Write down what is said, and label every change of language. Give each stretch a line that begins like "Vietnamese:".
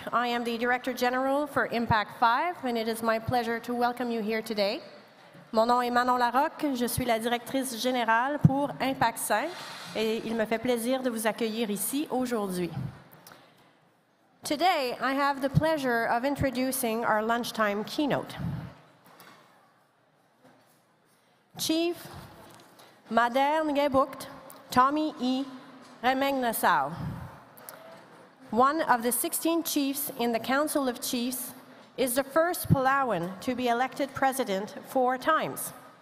English: I am the Director General for IMPAC5, and it is my pleasure to welcome you here today.
French: Mon nom est Manon Larocque. Je suis la Directrice Générale pour IMPAC5, et il me fait plaisir de vous accueillir ici aujourd'hui.
English: Today, I have the pleasure of introducing our lunchtime keynote. Chief Maderngebuked Tommy E. Remengesau, one of the 16 chiefs in the Council of Chiefs, is the first Palauan to be elected president 4 times.